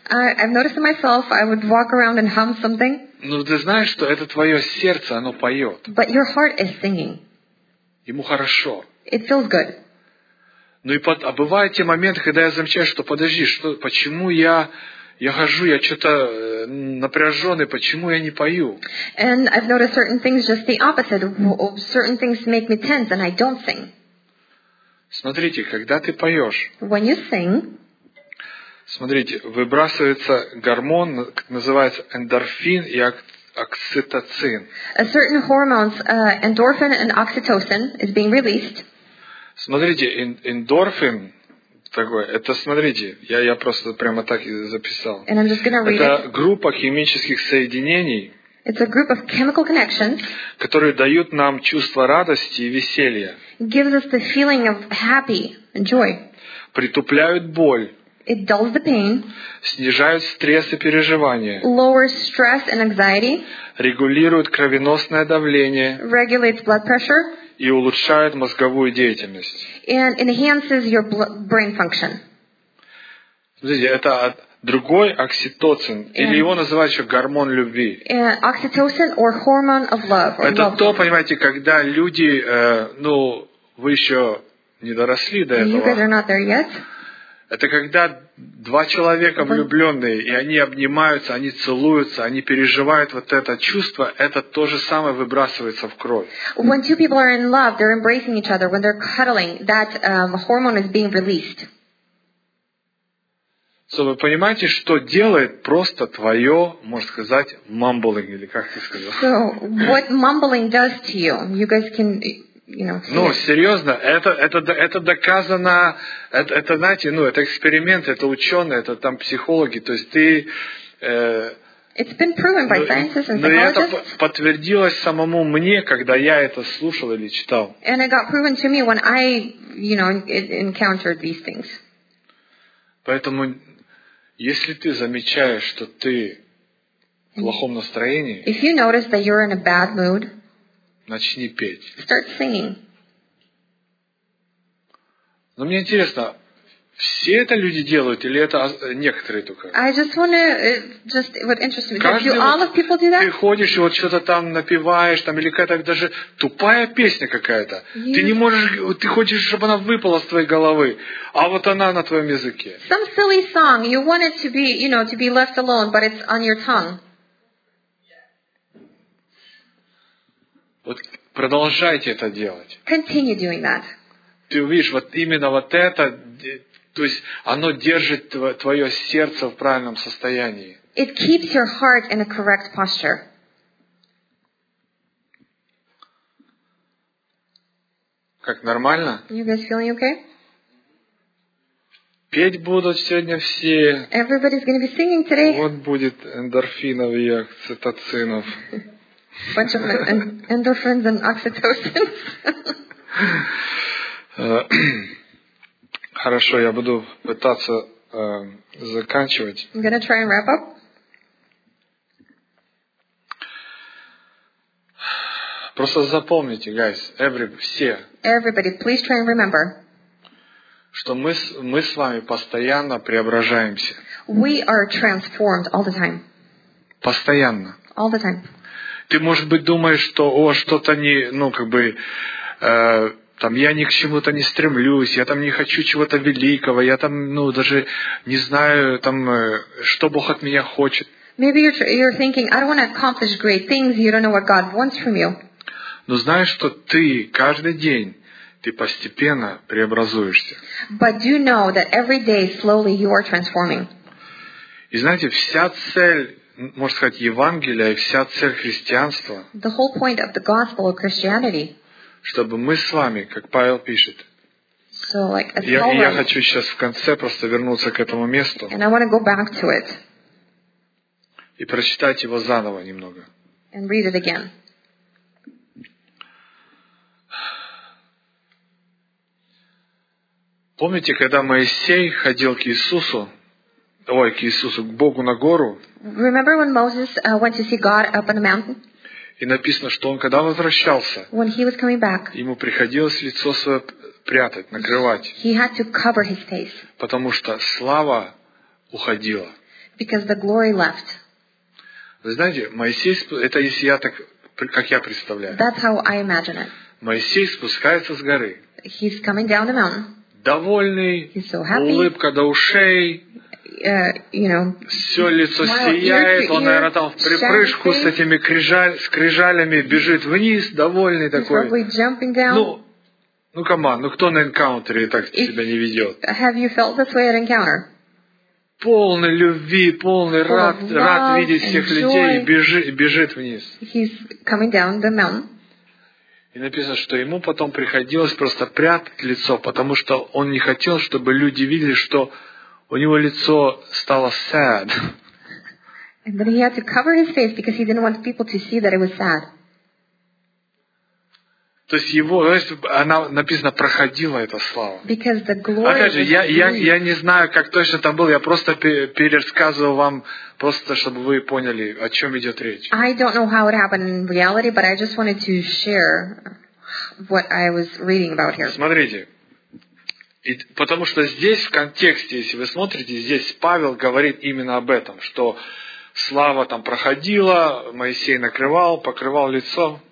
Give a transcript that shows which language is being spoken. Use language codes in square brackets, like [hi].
[en] I've noticed it myself, I would walk around and hum something. [ru] Но ты знаешь, что это твое сердце, оно поет. [en] But your heart is singing. [ru] Ему хорошо. [en] It feels good. [ru] Ну и под, а бывают те моменты, когда я замечаю, что подожди, что, почему я хожу, я что-то напряженный, почему я не пою? [en] And I've noticed certain things just the opposite. Certain things make me tense and I don't sing. [ru] Смотрите, когда ты поешь. [en] When you sing. [ru] Смотрите, выбрасывается гормон, называется эндорфин и окситоцин. [en] A certain hormones, endorphin and oxytocin, is being released. [ru] Смотрите, эндорфин такой, это смотрите, я просто прямо так и записал. [en] And I'm just gonna read [ru] это группа химических соединений, [en] it's a group of chemical connections, [ru] которые дают нам чувство радости и веселья. [en] Gives us the feeling of happy and joy. [ru] Притупляют боль. [en] It dulls the pain. [ru] Снижают стресс и переживания. [en] Lowers stress and anxiety. [ru] Регулируют кровеносное давление. [en] Regulates blood pressure. [ru] И улучшает мозговую деятельность. [en] And enhances your brain function. [ru] Смотрите, это другой окситоцин, [en] and [ru] или его называют еще гормон любви. [en] Oxytocin or hormone of love. Or [ru] это [en] love [ru] то, понимаете, когда люди, ну, вы еще не доросли до этого. [en] You guys are not there yet. [ru] Это когда два человека влюбленные, и они обнимаются, они целуются, они переживают вот это чувство, это то же самое выбрасывается в кровь. [en] When two people are in love, they're embracing each other. When they're cuddling, that hormone is being released. [ru] So, вы понимаете, что делает просто твое, можно сказать, mumbling, или как ты сказал? [en] So, what mumbling does to you? You guys can... You know, [ru] ну, серьезно, это доказано, это знаете, ну, это эксперимент, это ученые, это там психологи, то есть ты... [en] It's been proven by scientists and psychologists. [ru] Но это подтвердилось самому мне, когда я это слушал или читал. [en] And it got proven to me when I, you know, encountered these things. [ru] Поэтому, если ты замечаешь, что ты в плохом настроении... [en] If you notice that you're in a bad mood... [ru] Начни петь. [en] Start singing. [ru] Но мне интересно, все это люди делают или это некоторые только? [en] I just want to just what interests me. [ru] Каждый [en] do all of people do that? [ru] Ты ходишь и вот что-то там напеваешь, там или какая-то даже тупая песня какая-то. [en] You... [ru] Ты не можешь, ты хочешь, чтобы она выпала с твоей головы, а вот она на твоем языке. [en] Some silly song. You want it to be, you know, to be left alone, but it's on your tongue. [ru] Вот продолжайте это делать. [en] Continue doing that. [ru] Ты увидишь, вот именно вот это, то есть оно держит твое сердце в правильном состоянии. [en] It keeps your heart in a correct posture. [ru] Как нормально? [en] You guys feeling okay? [ru] Петь будут сегодня все. [en] Everybody's gonna be singing today. [ru] Вот будет эндорфинов и окситоцинов. [en] bunch of endorphins and oxytocin. [ru] Хорошо, я буду пытаться заканчивать. [en] I'm gonna try and wrap up. [ru] Просто запомните, guys, все. [en] Everybody, please try and remember. [ru] Что мы с вами постоянно преображаемся. [en] We are transformed all the time. [ru] Постоянно. [en] All the time. [ru] Ты, может быть, думаешь, что о, что-то не, ну, как бы, там, я ни к чему-то не стремлюсь, я там не хочу чего-то великого, я там, ну, даже не знаю, там, что Бог от меня хочет. [en] Maybe you're thinking, I don't want to accomplish great things, you don't know what God wants from you. [ru] Но знаешь, что ты каждый день ты постепенно преобразуешься. [en] But you know that every day slowly you are transforming. [ru] И знаете, вся цель, можно сказать, Евангелия и вся цель христианства, [en] the whole point of the gospel of Christianity, [ru] чтобы мы с вами, как Павел пишет, [en] so like, as [ru] Paul я хочу сейчас в конце просто вернуться к этому месту [en] and I want to go back to it, [ru] и прочитать его заново немного. [en] And read it again. [ru] Помните, когда Моисей ходил к Иисусу, ой, к Иисусу, к Богу на гору? [en] Remember when Moses went to see God up on the mountain? [ru] И написано, что он когда возвращался, [en] when he was coming back, [ru] ему приходилось лицо свое прятать, накрывать. [en] He had to cover his face. [ru] Потому что слава уходила. [en] Because the glory left. [ru] Вы знаете, Моисей, это если я так, как я представляю. [en] That's how I imagine it. [ru] Моисей спускается с горы. [en] He's coming down the mountain. [ru] Довольный, [en] he's so happy. [ru] Улыбка до ушей, [en] you know, [ru] все лицо сияет, он, наверное, там в припрыжку с этими скрижалями бежит вниз, довольный [en] he's [ru] такой. [en] Probably jumping down. [ru] Ну, [en] come on, [ru] ну кто на энкаунтере так себя не ведет? [en] Have you felt this way at encounter? [ru] Полный любви, полный рад видеть всех людей, бежит вниз. [en] He's coming down the mountain. [ru] И написано, что ему потом приходилось просто прятать лицо, потому что он не хотел, чтобы люди видели, что у него лицо стало sad. [en] And then he had to cover his face because he didn't want people to see that it was sad. [ru] То есть его, то есть она написано, проходила эта слава. [en] Because the glory. [ru] Опять же, я не знаю, как точно там было. Я просто пересказываю вам, просто чтобы вы поняли, о чем идет речь. [en] I don't know how it happened in reality, but I just wanted to share what I was reading about here. [ru] Смотрите. И, потому что здесь, в контексте, если вы смотрите, здесь Павел говорит именно об этом, что слава там проходила, Моисей накрывал, покрывал лицо.